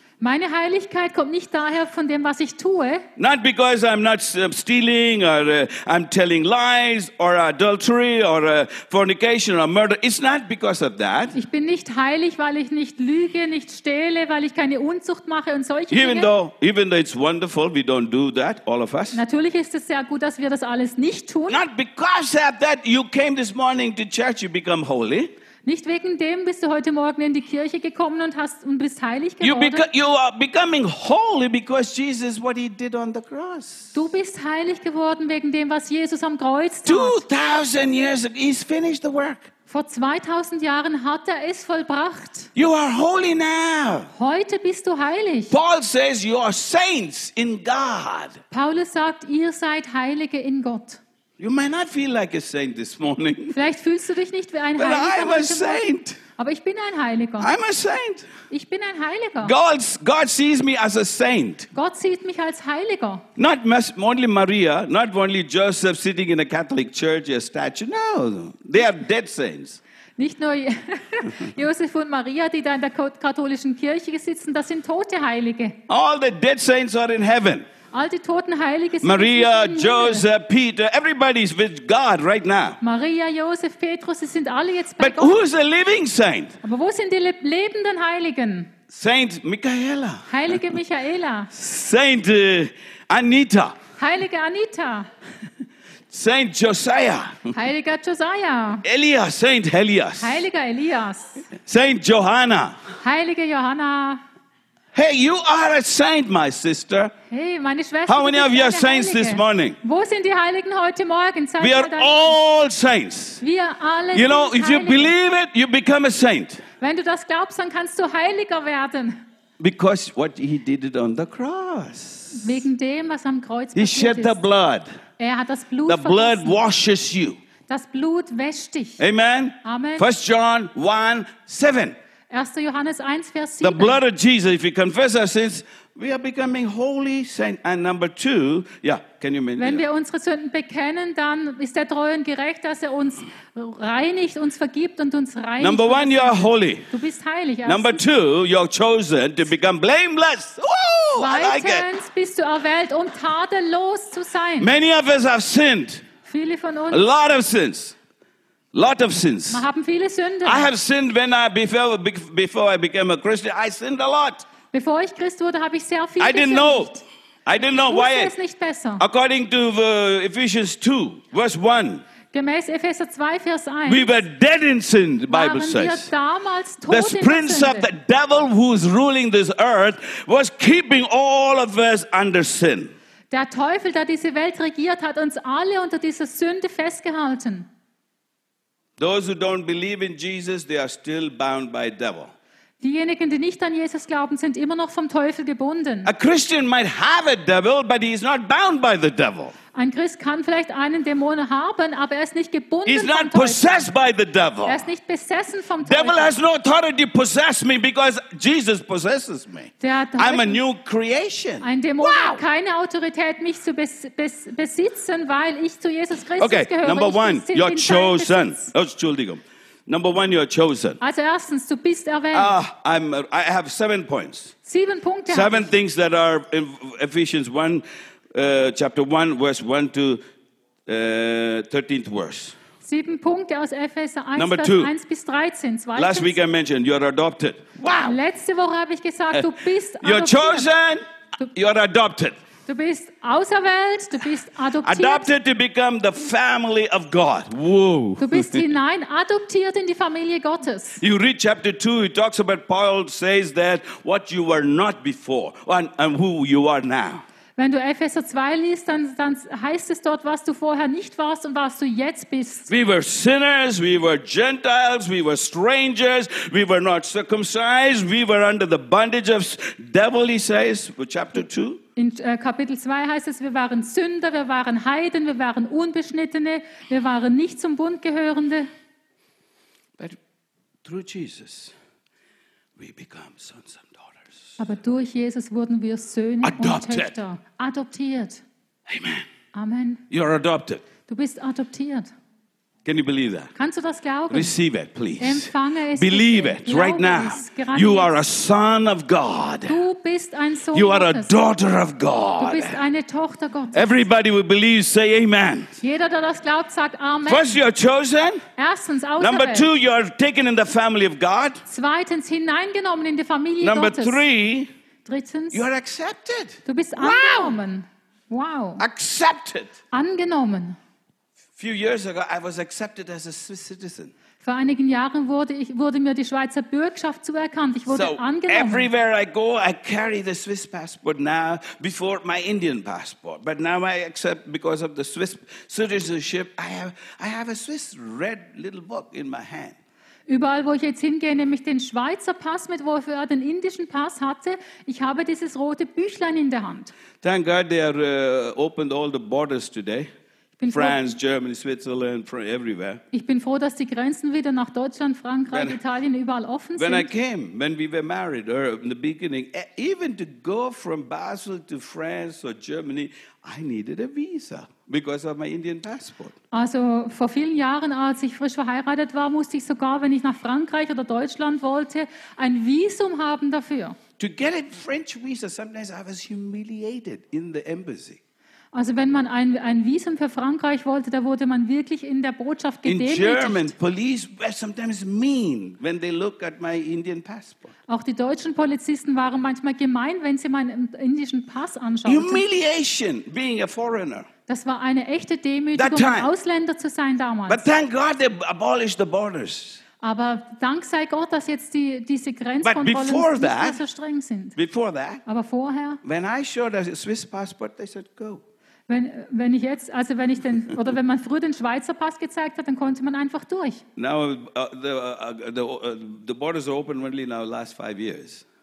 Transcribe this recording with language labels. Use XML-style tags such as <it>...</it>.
<de>Meine Heiligkeit kommt nicht daher von dem, was ich tue.</de> <en>Not because I'm not stealing or I'm telling lies or adultery or fornication or murder. It's not because of that.</en> <de>Ich bin nicht heilig, weil ich nicht lüge, nicht stehle, weil ich keine Unzucht mache und solche</de> <en>even</en> <de>Dinge.</de> <en>Even though it's wonderful, we don't do that, all of us.</en> <de>Natürlich ist es sehr gut, dass wir das alles nicht tun.</de> <en>Not because of that you came this morning to church, you become holy.</en> <de>Nicht wegen dem bist du heute Morgen in die Kirche gekommen und bist heilig geworden.</de> <en>You are becoming holy because Jesus, what he did on the cross.</en> <de>Du bist heilig geworden wegen dem, was Jesus am Kreuz tat.</de> <en>2000 years ago, he's finished the work.</en> <de>Vor 2000 Jahren hat er es vollbracht.</de> <en>You are holy now.</en> <de>Heute bist du heilig.</de> <en>Paul says you are saints in God.</en> <de>Paulus sagt, ihr seid Heilige in Gott.</de> <en>You may not feel like a saint this morning.</en> <de>Vielleicht fühlst du dich nicht wie ein Heiliger.</de> <en>But I'm a saint.</en> <de>Aber ich bin ein Heiliger.</de> <en>I'm a saint.</en> <de>Ich bin ein Heiliger.</de> <en>God sees me as a saint.</en> <de>Gott sieht mich als Heiliger.</de> <en>Not only Maria, not only Joseph sitting in a Catholic church, a statue. No, they are dead saints.</en> <de>Nicht nur Josef und Maria, die da in der katholischen Kirche sitzen, das sind tote Heilige.</de> <en>All the dead saints are in heaven.</en> <de>All die toten Heilige sind</de> <en>Maria, Joseph, Peter, everybody's with God right now.</en> <de>Maria, Josef, Petrus, sie sind alle jetzt bei</de> <en>But</en> <de>Gott.</de> <en>But who's a living saint?</en> <de>Aber wo sind die lebenden Heiligen?</de> <en>Saint Michaela.</en> <de>Heilige Michaela.</de> <en>Saint Anita.</en> <de>Heilige Anita.</de> <en>Saint Josiah.</en> <de>Heiliger Josiah.</de> <en>Elias, Saint Elias.</en> <de>Heiliger Elias.</de> <en>Saint Johanna.</en> <de>Heilige Johanna.</de> <en>Hey, you are a saint, my sister.</en> <de>Hey, meine Schwester.</de> <en>How many of you are saints this morning?</en> <de>Wo sind die Heiligen heute Morgen?</de> <en>We are all saints.</en> <de>Wir alle</de> <en>you know, if you believe it, you become a saint.</en> <de>Wenn du das glaubst, dann kannst du heiliger werden.</de> <en>Because what he did it on the cross.</en> <de>Wegen dem, was am Kreuz passiert</de> <en>He shed the blood.</en> <de>Er hat das Blut vergossen.</de> <en>The blood washes you.</en> <de>Das Blut wäscht dich.</de> <en>Amen.</en> <de>Amen.</de> <en>1 John 1, 7.</en> <de>1. Johannes 1, Vers 7.</de> <en>The blood of Jesus, if we confess our sins, we are becoming holy saints. And number two, yeah, can you mention</en> <de>Wenn wir unsere Sünden bekennen, dann ist er treu und gerecht, dass er uns reinigt, uns vergibt und uns reinigt.</de> <en>Number one, you are holy.</en> <de>Du bist heilig.</de> <en>Number two, you are chosen to become blameless. Woo, I like it.</en> <de>Bist du erwählt, um tadellos zu sein.</de> <en>Many of us have sinned.</en> <de>Viele von uns.</de> <en>A lot of sins. Lot of sins.</en> <de>Wir haben viele Sünden.</de> <en>I have sinned when I before I became a Christian. I sinned a lot.</en> <de>Bevor ich Christ wurde, habe ich sehr viel gesündigt.</de> <en>I didn't know why.</en> <de>Ich wusste es nicht besser.</de> <en>According to Ephesians 2, verse 1.</en> <de>Gemäß Epheser 2, Vers 1.</de> <en>We were dead in sin, the Bible says.</en> <de>Waren wir damals tot in Sünde.</de> <en>The prince of the devil who is ruling this earth was keeping all of us under sin.</en> <de>Der Teufel, der diese Welt regiert, hat uns alle unter dieser Sünde festgehalten.</de> <en>Those who don't believe in Jesus, they are still bound by devil.</en> <de>Diejenigen, die nicht an Jesus glauben, sind immer noch vom Teufel gebunden.</de> <en>A Christian might have a devil, but he is not bound by the devil.</en> <de>Ein Christ kann vielleicht einen Dämon haben, aber er ist nicht gebunden</de> <en>He's</en> <de>vom</de> <en>not</en> <de>Teufel.</de> <en>Possessed by the devil.</en> <de>Er ist nicht besessen vom Teufel.</de> <en>Devil has no authority to possess me because Jesus possesses me.</en> <de>Der Teufel,</de> <en>I'm a new creation.</en> <de>Ein Dämon hat keine Autorität, mich zu besitzen, weil ich zu Jesus Christus</de> <en>okay,</en> <de>gehöre.</de> <en>Okay, number one, you're chosen.</en> <de>Entschuldigung.</de> <en>Number one, you're chosen.</en> <de>Also erstens, du bist erwähnt.</de> <en>I have 7 points.</en> <de>7 Punkte.</de> <en>Seven things that are in Ephesians 1, chapter 1, verse 1 to 13th verse.</en> <de>7 Punkte aus Epheser 1,</de> <en>Number two.</en> <de>1 bis 13. Zweitens,</de> <en>last week I mentioned, you're adopted. Wow.</en> <de>Letzte Woche habe ich gesagt, du bist adoptiert.</de> <en>You're chosen, you're adopted.</en> <de>Du bist auserwählt, du bist adoptiert.</de> <en>Adopted to become the family of God. Whoa.</en> <de>Du bist hinein adoptiert in die Familie Gottes.</de> <en>You read chapter 2, it talks about Paul says that what you were not before and who you are now.</en> <de>Wenn du Epheser 2 liest, dann heißt es dort, was du vorher nicht warst und was du jetzt bist.</de> <en>We were sinners, we were Gentiles, we were strangers, we were not circumcised, we were under the bondage of devil, he says, chapter 2.</en> <de>In Kapitel 2 heißt es, wir waren Sünder, wir waren Heiden, wir waren Unbeschnittene, wir waren nicht zum Bund Gehörende.</de> <en>But through Jesus, we become sons and daughters.</en> <de>Aber durch Jesus wurden wir Söhne</de> <en>adopted.</en> <de>Und Töchter. Adoptiert.</de> <en>Amen.</en> <de>Amen.</de> <en>You are adopted.</en> <de>Du bist adoptiert.</de> <en>Can you believe that?</en> <de>Kannst du das glauben?</de> <en>Receive it, please.</en> <de>Empfange es.</de> <en>Believe it, right now. You are a son of God.</en> <de>Du bist ein Sohn</de> <en>you are</en> <de>Gottes.</de> <en>A daughter of God.</en> <de>Du bist eine Tochter Gottes.</de> <en>Everybody who believes, say amen.</en> <de>Jeder, der das glaubt, sagt amen.</de> <en>First, you are chosen.</en> <de>Erstens,</de> <en>Number two, you are taken in the family of God.</en> <de>Zweitens, hineingenommen in die Familie</de> <en>Number</en> <de>Gottes.</de> <en>Three,</en> <de>Drittens,</de> <en>you are accepted.</en> <de>Du bist angenommen. Wow.</de> <en>Accepted.</en> <de>Angenommen.</de> <en>Few years ago, I was accepted as a Swiss citizen.</en> <de>Vor einigen Jahren wurde mir die Schweizer Bürgerschaft zuerkannt. Ich wurde angenommen.</de> <en>Everywhere I go, I carry the Swiss passport now. Before my Indian passport, but now I accept because of the Swiss citizenship. I have a Swiss red little book in my hand.</en> <de>Überall, wo ich jetzt hingehe, nämlich den Schweizer Pass mit, wo ich den indischen Pass hatte, ich habe dieses rote Büchlein in der Hand.</de> <en>Thank God, they are opened all the borders today. France, Germany, Switzerland, everywhere.</en> <de>Ich bin froh, dass die Grenzen wieder nach Deutschland, Frankreich, Italien überall offen</de> <en>when When I came, when we were married, or in the beginning, even to go from Basel to France or Germany, I needed a visa because of my Indian passport.</en> <de>Also vor vielen Jahren, als ich frisch verheiratet war, musste ich sogar, wenn ich nach Frankreich oder Deutschland wollte, ein Visum haben dafür.</de> <en>To get a French visa, sometimes I was humiliated in the embassy.</en> <de>Also wenn man ein Visum für Frankreich wollte, da wurde man wirklich in der Botschaft gedemütigt.</de> <en>In German, police were sometimes mean when they look at my Indian passport.</en> <de>Auch die deutschen Polizisten waren manchmal gemein, wenn sie meinen indischen Pass anschauten.</de> <en>Humiliation, being a foreigner.</en> <de>Das war eine echte Demütigung, ein Ausländer zu sein damals.</de> <en>But thank God they abolished the borders.</en> <de>Aber dank sei Gott, dass jetzt diese Grenzkontrollen nicht mehr so streng sind.</de> <en>Before that,</en> <de>aber vorher.</de> <en>When I showed a Swiss passport, they said go.</en> <de>Wenn man früher den Schweizer Pass gezeigt hat, dann konnte man einfach durch.</de> <en>Now the borders are open only now last 5 years.</en>